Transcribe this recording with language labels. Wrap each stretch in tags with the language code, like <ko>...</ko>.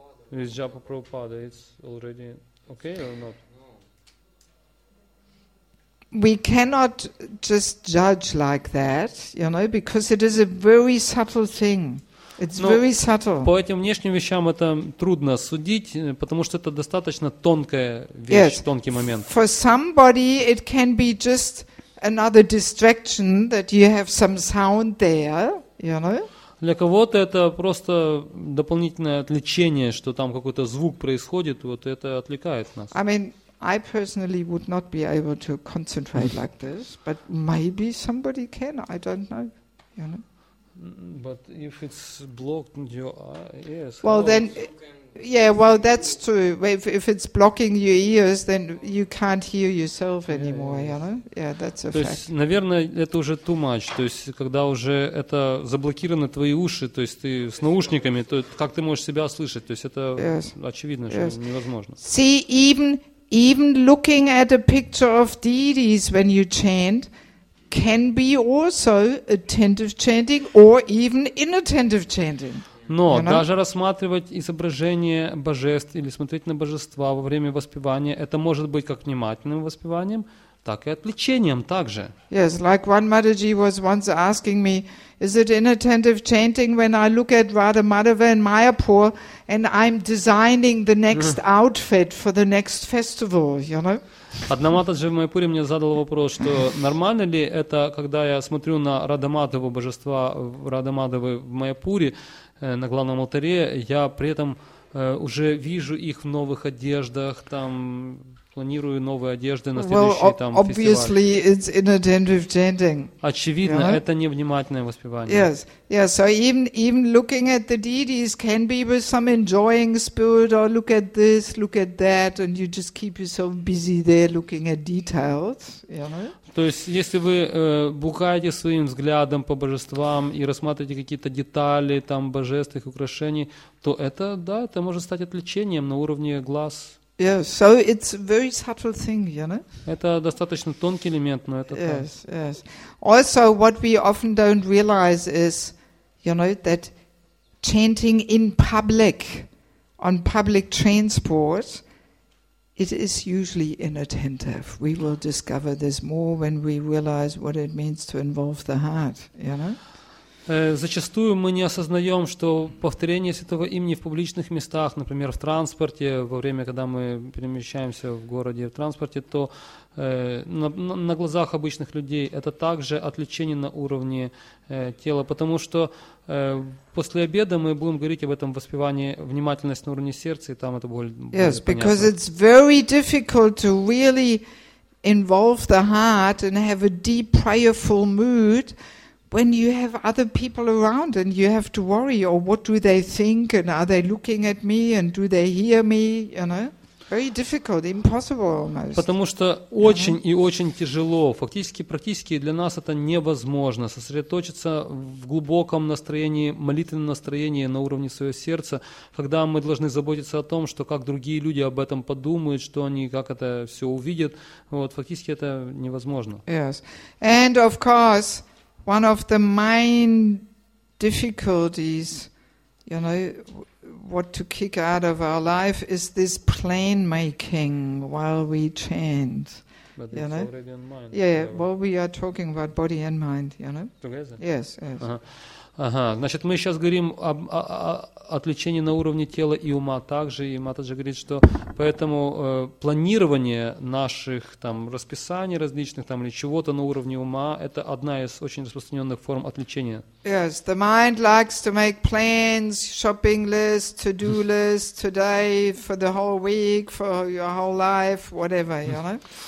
<en>This Japa Prabhupada, it's already okay or not? We cannot just judge like that, you know, because it is a very subtle thing. It's very subtle.</en> <ru>По этим внешним вещам это трудно судить, потому что это достаточно тонкая вещь,</ru> <en>yes.</en> <ru>Тонкий момент.</ru> <en>For somebody it can be just another distraction that you have some sound there, you know?</en> <ru>Для кого-то это просто дополнительное отвлечение, что там какой-то звук происходит, вот это отвлекает нас.</ru> <en>I mean, I personally would not be able to concentrate like this, but maybe somebody can, I don't know, you know? But if it's blocked in your ears, well then, that's true. If it's blocking your ears, then you can't hear yourself anymore. You know, that's a fact.</en> <ru>То есть, наверное, это уже</ru> <en>too much.</en> <ru>То есть, когда уже это заблокированы твои уши, то есть ты с наушниками, то как ты можешь себя слышать? То есть это очевидно, что невозможно.</ru> <en>See, even looking at a picture of deities when you chant can be also attentive chanting or even inattentive chanting.</en> <ru>Но даже рассматривать изображение божеств или смотреть на божества во время воспевания, это может быть как внимательным воспеванием, так и отвлечением также.</ru> <en>Yes, like one Mataji was once asking me, is it inattentive chanting when I look at Radha Madhava and Mayapur and I'm designing the next outfit for the next festival, you know?</en> <ru>Одна Матаджи в Майпуре мне задала вопрос, что нормально ли это, когда я смотрю на Радха Мадхаву, божества Радха Мадхавы в Майпуре, на главном алтаре, я при этом уже вижу их в новых одеждах, там планирую новые одежды на следующий там фестиваль.</ru> <en>It's inattentive chanting.</en> <ru>Очевидно, это невнимательное воспевание.</ru> <en>Yes, yes. So even looking at the deities can be with some enjoying spirit, or look at this, look at that, and you just keep yourself busy there looking at details.</en> <ru>То есть, если вы бухаете своим взглядом по божествам и рассматриваете какие-то детали там божественных украшений, то это, да, это может стать отвлечением на уровне глаз.</ru> <en>Yeah, so it's a very subtle thing, you know?</en> <ru>Это достаточно тонкий элемент, но это так.</ru> <en>Yes, yes. Also, what we often don't realize is, you know, that chanting in public, on public transport, it is usually inattentive. We will discover this more when we realize what it means to involve the heart, you know?</en> <ru>Зачастую мы не осознаем, что повторение святого имени в публичных местах, например, в транспорте, во время, когда мы перемещаемся в городе в транспорте, то на глазах обычных людей это также отвлечение на уровне тела, потому что после обеда мы будем говорить об этом воспевании внимательность на уровне сердца, и там это более понятно.</ru> <en>Yes, because it's very difficult to really involve the heart and have a deep prayerful mood when you have other people around and you have to worry, or what do they think, and are they looking at me, and do they hear me, you know? Very difficult, impossible almost.</en> <ru>Потому что очень и очень тяжело, фактически, практически для нас это невозможно, сосредоточиться в глубоком настроении, молитвенном настроении на уровне своего сердца, когда мы должны заботиться о том, что как другие люди об этом подумают, что они как это все увидят, вот, фактически это невозможно.</ru> <en>Yes, and of course, one of the main difficulties, you know, what to kick out of our life is this plan making while we chant. But you know? Already in mind. Yeah, well, we are talking about body and mind, you know? Together? Yes, yes. Uh-huh.</en> <ru>Ага, значит, мы сейчас говорим об отвлечении на уровне тела и ума также, и Матаджа говорит, что поэтому планирование наших там расписаний различных там или чего-то на уровне ума – это одна из очень распространенных форм отвлечения.</ru> <en>Yes, the mind likes to make plans, shopping lists, to-do lists, today, for the whole week, for your whole life, whatever, you know?</en>